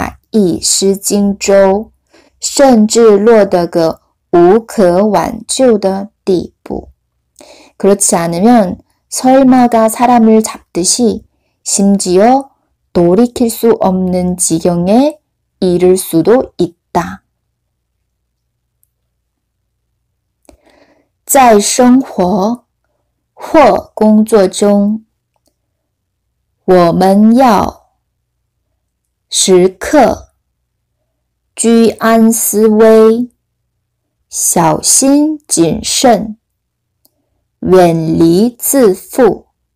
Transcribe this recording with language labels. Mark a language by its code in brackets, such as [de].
[zh] 不然就会大意失荆州, 甚至落得个无可挽救的地步. [ko] 그렇지 않으면 설마가 사람을 잡듯이 심지어 돌이킬 수 없는 지경에 이를 수도 있다. [zh] 在生活或工作中, 我们要时刻居安思危, 小心谨慎, 远离自负.